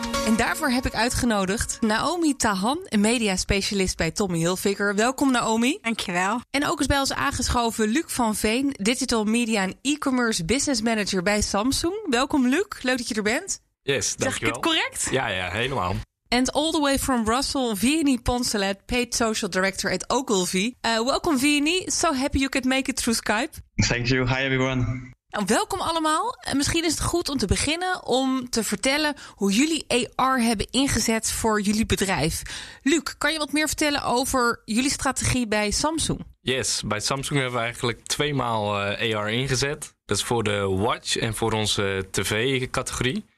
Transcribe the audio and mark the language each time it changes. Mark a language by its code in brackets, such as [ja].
[nl] En daarvoor heb ik uitgenodigd Naomi Tahan, een media specialist bij Tommy Hilfiger. Welkom Naomi. Dankjewel. En ook is bij ons aangeschoven Luc van Veen, digital media en e-commerce business manager bij Samsung. Welkom Luc, leuk dat je er bent. Yes, dankjewel. Zeg ik het correct? Ja, helemaal. [en] And all the way from Brussels, Vianney Poncelet, paid social director at Ogilvy. Welcome Vianney, so happy you could make it through Skype. Thank you, hi everyone. [nl] Nou, welkom allemaal. Misschien is het goed om te beginnen om te vertellen hoe jullie AR hebben ingezet voor jullie bedrijf. Luc, kan je wat meer vertellen over jullie strategie bij Samsung? Yes, bij Samsung hebben we eigenlijk 2 maal AR ingezet. Dat is voor de watch en voor onze tv-categorie.